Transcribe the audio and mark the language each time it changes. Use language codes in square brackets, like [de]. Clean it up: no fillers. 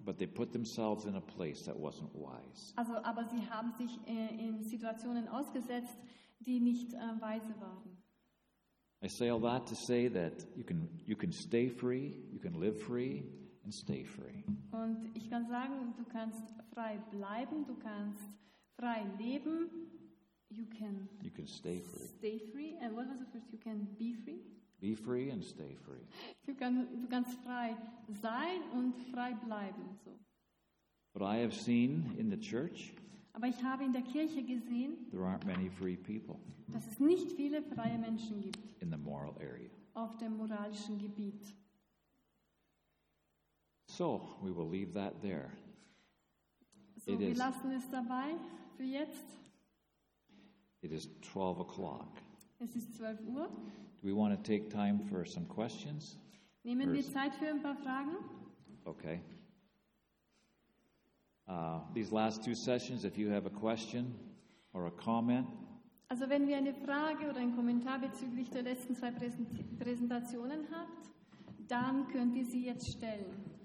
[en] But they put themselves in a place that wasn't wise. [de] Also, aber sie haben sich in Situationen ausgesetzt, die nicht weise waren. [en] I say all that to say that you can stay free, you can live free and stay free. [de] Und ich kann sagen, du kannst frei bleiben, du kannst frei leben. [en] You can stay free. Stay free and what was the first? You can be free. Be free and stay free. [de] Du kannst frei sein und frei bleiben. So. [en] But I have seen in the church. [de] Aber ich habe in der Kirche gesehen, [en] there aren't many free people. [de] Dass es nicht viele freie Menschen gibt. [en] In the moral area. [de] Auf dem moralischen Gebiet. [en] So we will leave that there. [de] So wir lassen es dabei für jetzt. [en] It is 12 o'clock. [de] Es ist 12 Uhr. [en] Do we want to take time for some questions? [de] Nehmen wir Zeit für ein paar Fragen? [en] Okay. These last two sessions, if you have a question or a comment. [de] Also wenn wir eine Frage oder einen Kommentar bezüglich der letzten zwei Präsentationen habt, dann könnt ihr sie jetzt stellen.